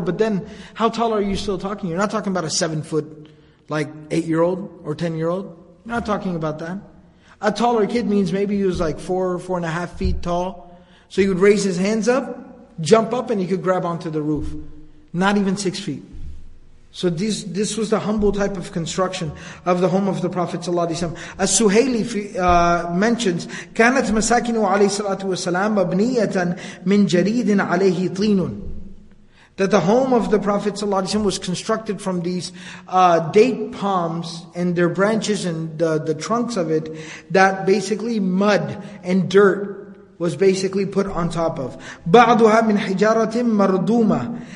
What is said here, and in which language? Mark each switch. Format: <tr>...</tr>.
<en>But then, how tall are you still talking? You're not talking about a 7 foot, like 8-year-old or 10-year-old. You're not talking about that. A taller kid means maybe he was like 4 or 4.5 feet tall. So he would raise his hands up, jump up, and he could grab onto the roof. Not even 6 feet. So this was the humble type of construction of the home of the Prophet ﷺ. As-Suhayli mentions,</en> <ar>كانت مساكنه عليه الصلاة والسلام مبنية من جريد عليه طين.</ar> <en>That the home of the Prophet ﷺ was constructed from these date palms and their branches and the trunks of it, that basically mud and dirt was basically put on top of.</en> <ar>بَعْضُهَا مِنْ حِجَارَةٍ مَرْضُومَةٍ.</ar>